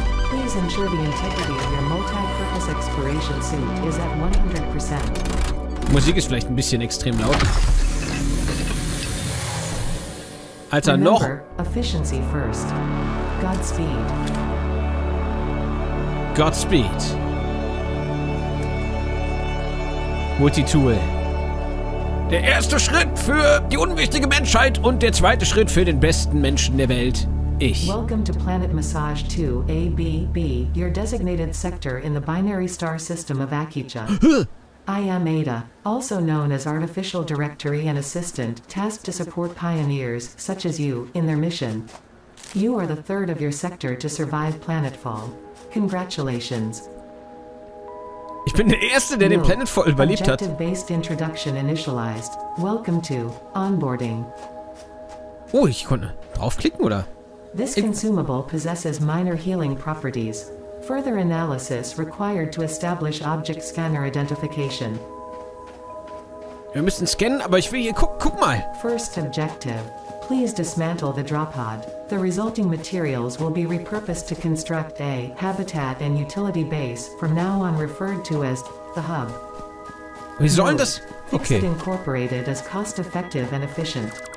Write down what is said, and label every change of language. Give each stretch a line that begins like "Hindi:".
English: Please ensure the integrity of your multi-purpose exploration suit is at 100%.
German: Musik ist vielleicht ein bisschen extrem laut. Alter,
English: remember,
German: noch.
English: Efficiency first. Godspeed. Godspeed. Multitool.
German: Der erste Schritt für die unwichtige Menschheit und der zweite Schritt für den besten Menschen der Welt. Ich.
English: Welcome to Planet Massage 2 ABB, your designated sector in the binary star system of Akija. I am Ada, also known as Artificial Directory and Assistant, tasked to support pioneers, such as you, in their mission. You are the third of your sector to survive Planetfall. Congratulations.
German: Ich bin der Erste, der den Planetfall überlebt hat.
English: Objective-based introduction initialized. Welcome to onboarding.
German: Oh, ich konnte draufklicken, oder?
English: This consumable possesses minor healing properties. Further analysis required to establish object scanner identification.
German: Wir müssen scannen, aber ich will hier guck mal.
English: First objective. Please dismantle the drop pod. The resulting materials will be repurposed to construct a habitat and utility base, from now on referred to as the hub.
German: Wir sollen das okay.
English: Fixit Incorporated is cost effective and efficient.